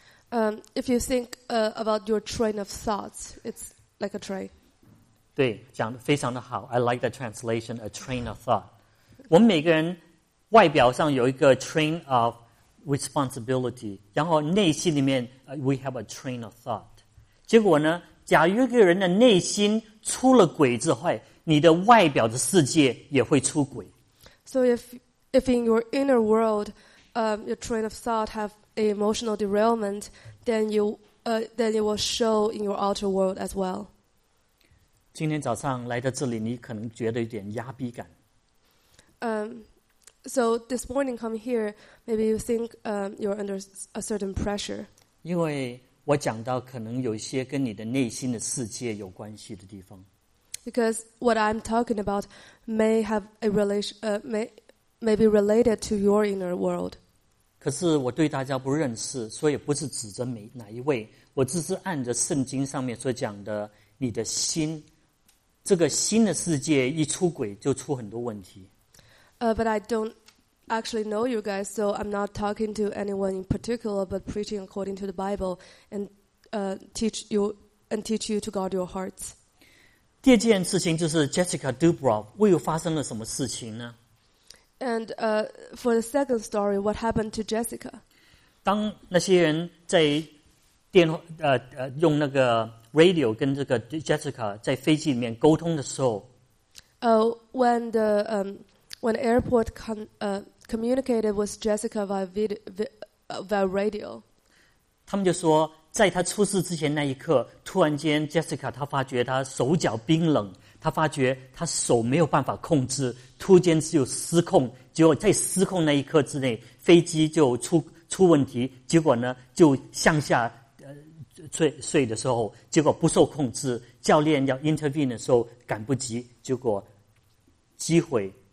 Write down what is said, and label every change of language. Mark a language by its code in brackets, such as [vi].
[en] If you think about your train of thoughts, it's like a train. [zh] 对，讲得非常的好。 [en] I like the translation, a train of thought. [zh] 我们每个人外表上有一个 [en] train of responsibility， [zh] 然后内心里面 [en] we have a train of thought. [zh] 结果呢，假如一个人的内心出了轨之后，你的外表的世界也会出轨。 [en] So if in your inner world, your train of thought have an emotional derailment, then it will show in your outer world as well. [zh] 今天早上来到这里，你可能觉得有点压迫感。 [en] So this morning coming here, maybe you think you're under a certain pressure. [zh] 因为我讲到可能有一些跟你的内心的世界有关系的地方。 [en] Because what I'm talking about may have a relation, may be related to your inner world. [zh] 可是我对大家不认识，所以不是指着哪一位，我只是按着圣经上面所讲的，你的心，这个心的世界一出轨就出很多问题。 [en] But I don't actually know you guys, so I'm not talking to anyone in particular, but preaching according to the Bible and teach you to guard your hearts. [zh] 第二件事情就是 Jessica Dubrov 为又发生了什么事情呢？ [en] And for the second story, what happened to Jessica? [zh] 当那些人在电话用那个 radio 跟这个 Jessica 在飞机里面沟通的时候， [en] When the airport communicated with Jessica via radio. [zh] 他们就说在他出事之前那一刻，突然间 Jessica 他发觉他手脚冰冷，他发觉他手没有办法控制，突间就失控，结果在失控那一刻之内，飞机就出问题，结果呢就向下坠的时候，结果不受控制，教练要 intervene 的时候赶不及，结果机毁。